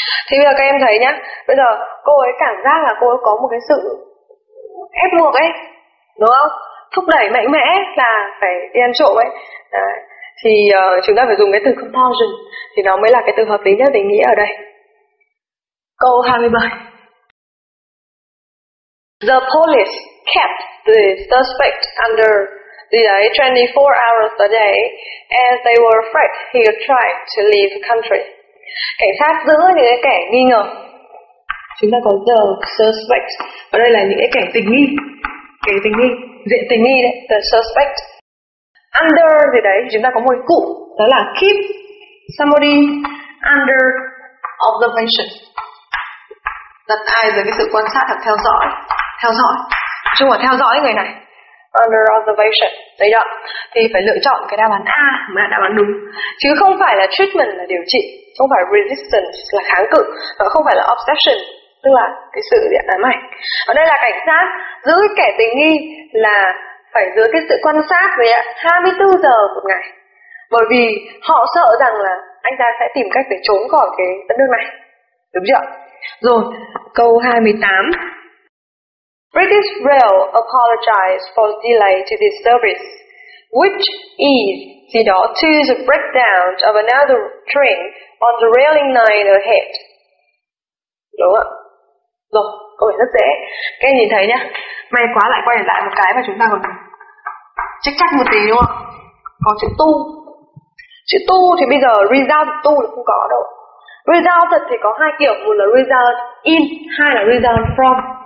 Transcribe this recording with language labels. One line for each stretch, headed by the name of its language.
Vietnamese: Thì bây giờ các em thấy nhá, bây giờ cô ấy cảm giác là cô ấy có một cái sự ép buộc ấy, đúng không? Thúc đẩy mạnh mẽ là phải đi ăn trộm ấy. Đấy. Thì chúng ta phải dùng cái từ compulsion thì nó mới là cái từ hợp lý nhất để nghĩ ở đây. Câu 27.
English: The police kept the suspect under the 24 hours a day as they were afraid he would try to leave the country.
Vietnamese: Cảnh sát giữ những cái kẻ nghi ngờ. Chúng ta có the suspect. Ở đây là những cái kẻ tình nghi. Kẻ tình nghi, dễ tình nghi đấy, the suspect. Under gì đấy, chúng ta có một cụm, đó là
English: keep somebody under observation.
Vietnamese: Đặt ai dưới cái sự quan sát hoặc theo dõi. Theo dõi, chung là theo dõi người này. Under observation, đấy đó. Thì phải lựa chọn cái đáp án A mà đáp án đúng. Chứ không phải là treatment là điều trị, không phải resistance là kháng cự, và không phải là obsession, tức là cái sự điện ám ảnh. Ở đây là cảnh sát giữ kẻ tình nghi là phải giữ cái sự quan sát với 24 giờ một ngày. Bởi vì họ sợ rằng là anh ta sẽ tìm cách để trốn khỏi cái đất nước này. Đúng chưa? Rồi, câu 28.
English: British Rail apologized for the delay to this service, which is the due to the breakdown of another train on the railing line ahead.
Vietnamese: Đúng ạ. Rồi, câu này rất dễ. Các em nhìn thấy nhá. May quá lại quay lại một cái mà chúng ta còn chắc chắc một tí đúng không? Có chữ tu. Chữ tu thì bây giờ result tu thì không có đâu. Result thì có hai kiểu, một là result in, hai là result from.